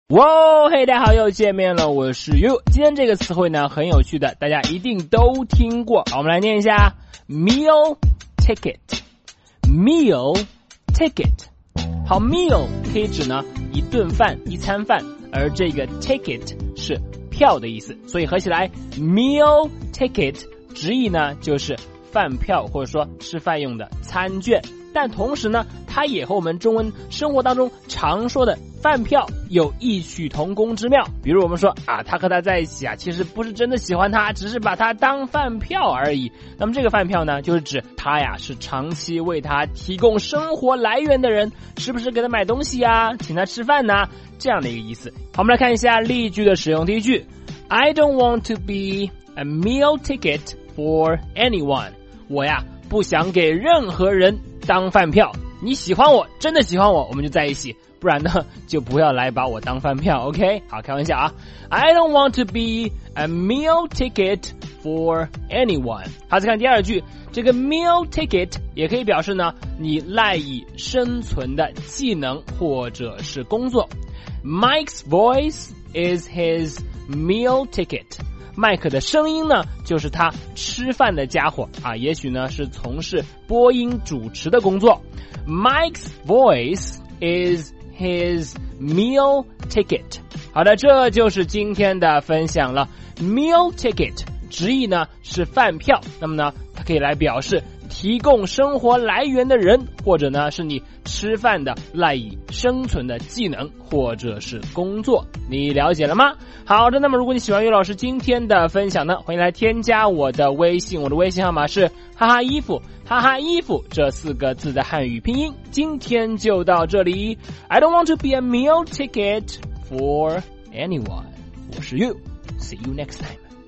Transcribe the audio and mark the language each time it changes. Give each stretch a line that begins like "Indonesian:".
Chinese: 哇嘿，大家好，又见面了，我是 You。今天这个词汇呢很有趣的，大家一定都听过。好，我们来念一下 Meal Ticket Meal Ticket。好， Meal 可以指呢一顿饭一餐饭，而这个 Ticket 是票的意思，所以合起来 Meal Ticket 直译呢就是饭票，或者说吃饭用的餐券。但同时呢，它也和我们中文生活当中常说的饭票有异曲同工之妙。比如我们说啊，他和他在一起啊，其实不是真的喜欢他，只是把他当饭票而已。那么这个饭票呢，就是指他呀是长期为他提供生活来源的人，是不是给他买东西啊，请他吃饭呢，这样的一个意思。好，我们来看一下例句的使用。第一句，
English: I don't want to be a meal ticket for anyone。
Chinese: 我呀不想给任何人当饭票，你喜欢我，真的喜欢我，我们就在一起，不然呢就不要来把我当饭票， OK。好，开玩笑啊，
English: I don't want to be a meal ticket for anyone。
Chinese: 好，再看第二句，这个 meal ticket 也可以表示呢你赖以生存的技能或者是工作。
English: Mike's voice is his meal ticket。
Chinese: 麦克的声音呢就是他吃饭的家伙啊，也许呢是从事播音主持的工作。
English: Mike's voice is his meal ticket。
Chinese: 好的，这就是今天的分享了。meal ticket 直译呢是饭票，那么呢它可以来表示提供生活来源的人，或者呢是你吃饭的赖以生存的技能或者是工作，你了解了吗？好的，那么如果你喜欢于老师今天的分享呢，欢迎来添加我的微信，我的微信号码是哈哈衣服，哈哈衣服这四个字的汉语拼音。今天就到这里，
English: I don't want to be a meal ticket for anyone。
Chinese: 我是
English: You, see you next time。